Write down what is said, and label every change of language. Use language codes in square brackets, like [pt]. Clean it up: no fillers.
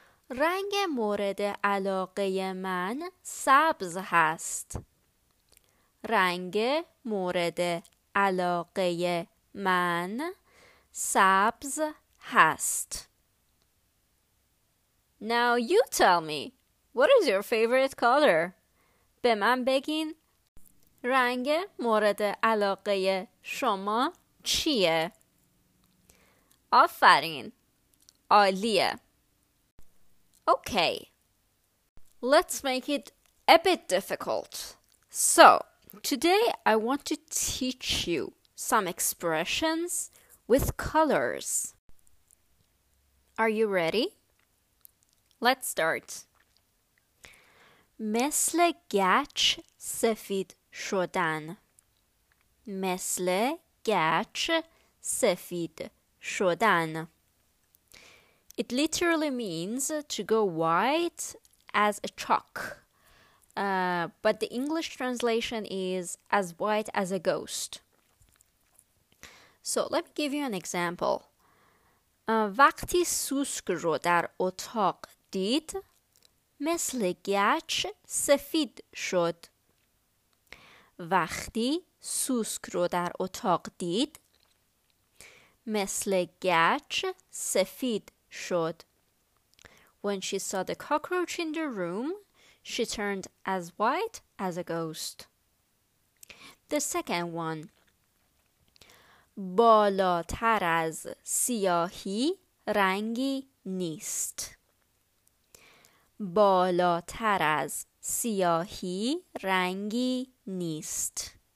[fa] رنگ مورد علاقه من سبز هست. رنگ مورد علاقه من سبز هست. [en] Now you tell me, what is your favorite color? [fa] به من بگین رنگ مورد علاقه شما چیه؟ آفرین. عالیه. [en] Okay. Let's make it a bit difficult. So, today I want to teach you some expressions with colors. Are you ready? Let's start. [fa] مثل گچ سفید شدن. مثل گچ سفید شدن. [en] It literally means to go white as a chalk. But the English translation is as white as a ghost. So let me give you an example. [fa] وقتی سوسک رو در اتاق دید، مثل گچ سفید شد. وقتی سوسک رو در اتاق دید، مثل گچ سفید شد. [en] When she saw the cockroach in the room, she turned as white as a ghost. The second one. [fa] بالاتر از سیاهی رنگی نیست. بالاتر از سیاهی رنگی نیست.